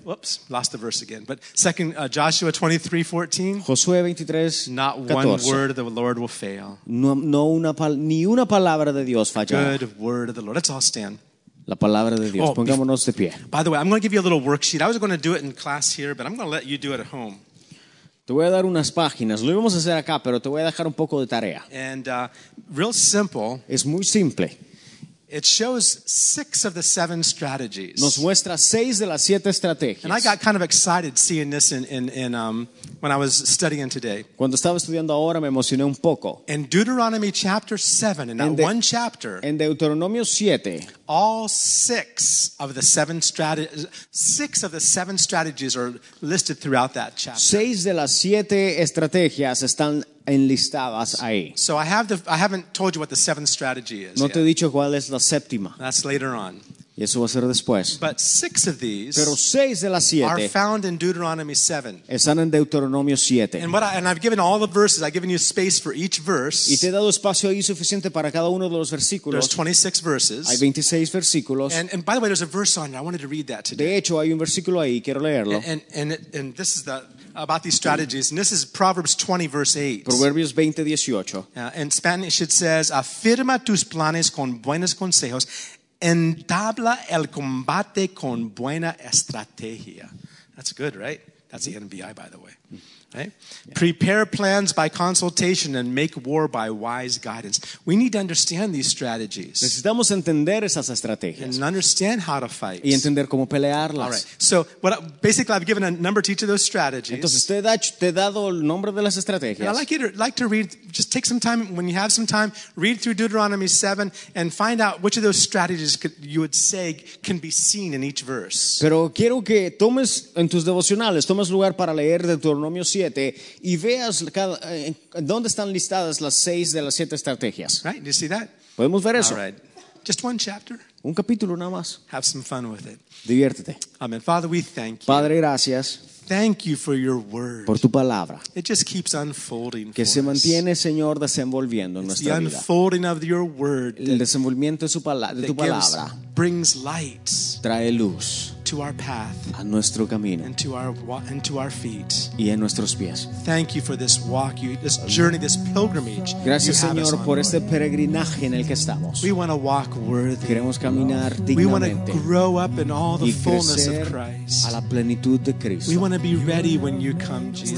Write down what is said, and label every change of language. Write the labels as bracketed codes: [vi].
[en] Whoops, lost the verse again. But second Joshua 23:14. [es] Josué 23:14. [en] Not one word of the Lord will fail. [es] Ni una palabra de Dios fallará. [en] Good word of the Lord. Let's all stand. [es] La palabra de Dios. Pongámonos de pie. [en] By the way, I'm going to give you a little worksheet. I was going to do it in class here, but I'm going to let you do it at home. [es] Te voy a dar unas páginas. Lo íbamos a hacer acá, pero te voy a dejar un poco de tarea. [en] And real simple. [es] Es muy simple. [en] It shows 6 of the 7 strategies. [es] Nos muestra 6 de las 7 estrategias. [en] And I got kind of excited seeing this in when I was studying today. [es] Cuando estaba estudiando ahora me emocioné un poco. [en] In Deuteronomy chapter 7, one chapter. [es] En Deuteronomio 7. [en] All 6 of the 7 strategies are listed throughout that chapter. [es] 6 de las 7 estrategias están enlistadas ahí. [en] So I haven't told you what the 7th strategy is. [es] No te he dicho cuál es la séptima. [en] That's later on. [es] Y eso va a ser después. [en] But 6 of these, [es] pero 6 de las 7 [en] are found in Deuteronomy 7. [es] Están en Deuteronomio 7. [en] And I've given all the verses. I've given you space for each verse. [es] Y te he dado espacio ahí suficiente para cada uno de los versículos. [en] There's 26 verses. [es] Hay 26 versículos. [en] And by the way, there's a verse on there. I wanted to read that today. [es] De hecho, hay un versículo ahí. Quiero leerlo. [en] And this is about these strategies. And this is Proverbs 20, verse 8. [es] Proverbios 20, 18. [en] In Spanish, it says, [es] afirma tus planes con buenos consejos. Entabla el combate con buena estrategia. [en] That's good, right? That's the NBI, by the way. Right? Yeah. Prepare plans by consultation and make war by wise guidance. We need to understand these strategies. [es] Necesitamos entender esas estrategias. [en] And understand how to fight. [es] Y entender cómo pelearlas. [en] All right. So, basically, I've given a number to each of those strategies. [es] Entonces, te he dado el nombre de las estrategias. [en] And I'd like to read, just take some time, when you have some time, read through Deuteronomy 7 and find out which of those strategies you would say can be seen in each verse. [es] Pero quiero que tomes en tus devocionales, tomes lugar para leer Deuteronomio 7 y veas dónde están listadas las 6 de las 7 estrategias. [en] Right, you see that? [es] Podemos ver eso. [en] All right. Just one chapter. [es] Un capítulo nada más. [en] Have some fun with it. [es] Diviértete. [en] Amen. Father, we thank you. [es] Padre, gracias. [en] Thank you for your word. [es] Por tu palabra. [en] It just keeps unfolding. [es] Que se mantiene, Señor, desenvolviendo en nuestra vida. [en] It's the unfolding of your word. [es] El desenvolvimiento de tu palabra. [en] Brings light. [es] Trae luz. [en] To our path. [es] A nuestro camino. [en] And to our feet. [es] Y en nuestros pies. [en] Thank you for this walk, this journey, this pilgrimage. [es] Gracias, Señor, por este peregrinaje en el que estamos. [en] We want to walk worthy. [es] Queremos caminar dignamente. [en] We want to grow up in all the fullness of Christ. [es] A la plenitud de Cristo. [en] We want to be ready when you come, Jesus.